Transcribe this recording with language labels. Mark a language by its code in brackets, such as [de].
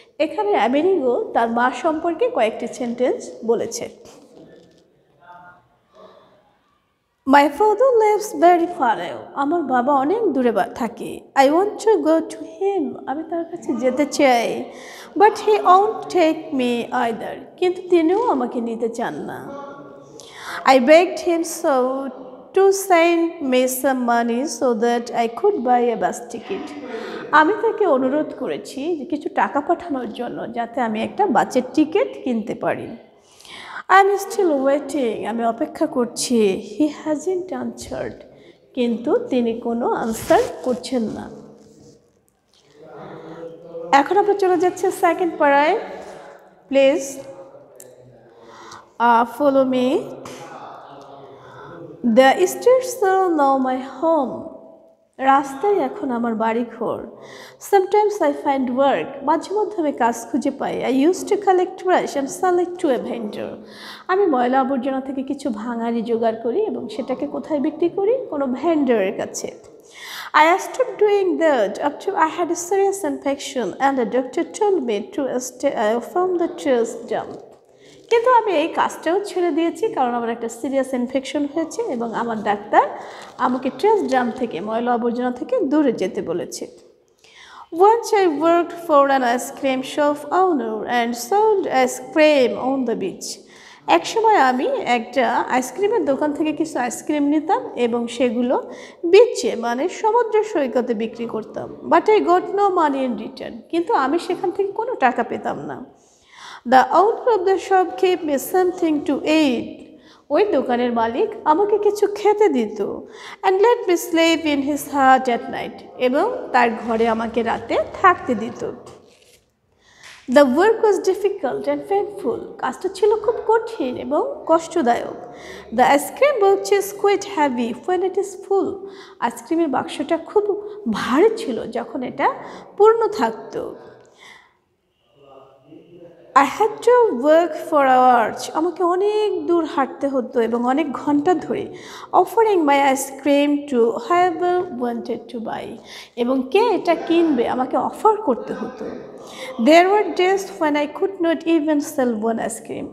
[bn] এখানে আমেরিগো তার মা সম্পর্কে কয়েকটি সেন্টেন্স বলেছে. [en] My father lives very far away. [bn] আমার বাবা অনেক দূরে থাকে. [en] I want to go to him. [bn] আমি তার কাছে যেতে চাই. [en] But he won't take me either. [bn] কিন্তু তিনিও আমাকে নিতে চান না. [en] I begged him so to send me some money so that I could buy a bus ticket. [bn] আমি তাকে অনুরোধ করেছি যে কিছু টাকা পাঠানোর জন্য যাতে আমি একটা বাসের টিকিট কিনতে পারি. [en] I'm still waiting. [bn] আমি অপেক্ষা করছি. [en] He hasn't answered. [bn] কিন্তু তিনি কোনো আনসার করছেন না. এখন আমরা চলে যাচ্ছি সেকেন্ড পড়ায়. [en] Please follow me. The streets are now my home. [bn] রাস্তায় এখন আমার বাড়ি ঘর. [en] Sometimes I find work. [bn] মাঝে মধ্যে আমি কাজ খুঁজে পাই. [en] I used to collect trash and sell it to a vendor. [bn] আমি ময়লা আবর্জনা থেকে কিছু ভাঙারি জোগাড় করি এবং সেটাকে কোথায় বিক্রি করি? কোনো ভেন্ডারের কাছে. [en] I stopped doing that after I had a serious infection and a doctor told me to stay from the trash dump. [bn] কিন্তু আমি এই কাজটাও ছেড়ে দিয়েছি কারণ আমার একটা সিরিয়াস ইনফেকশন হয়েছে এবং আমার ডাক্তার আমাকে ট্রেস ড্রাম থেকে ময়লা আবর্জনা থেকে দূরে যেতে বলেছে. [en] Once I worked for an ice cream shop owner and sold ice cream on the beach. [bn] একসময় আমি একটা আইসক্রিমের দোকান থেকে কিছু আইসক্রিম নিতাম এবং সেগুলো বিচে মানে সমুদ্র সৈকতে বিক্রি করতাম. [en] But I got no money in return. [bn] কিন্তু আমি সেখান থেকে কোনো টাকা পেতাম না. [en] The owner of the shop gave me something to eat. [bn] ওই দোকানের মালিক আমাকে কিছু খেতে দিত. [en] And let me sleep in his hut at night. [bn] এবং তার ঘরে আমাকে রাতে থাকতে দিত. [en] The work was difficult and painful. [bn] কাজটা ছিল খুব কঠিন এবং কষ্টদায়ক. [en] The ice cream box is quite heavy when it is full. [bn] আইসক্রিমের বাক্সটা খুব ভারী ছিল যখন এটা পূর্ণ থাকতো. [en] I had to work for hours. [bn] আমাকে অনেক দূর হাঁটতে হতো এবং অনেক ঘন্টা ধরে. [en] Offering my ice cream to whoever wanted to buy. [bn] এবং কে এটা কিনবে আমাকে অফার করতে হতো. [en] There were days when I could not even sell one ice cream.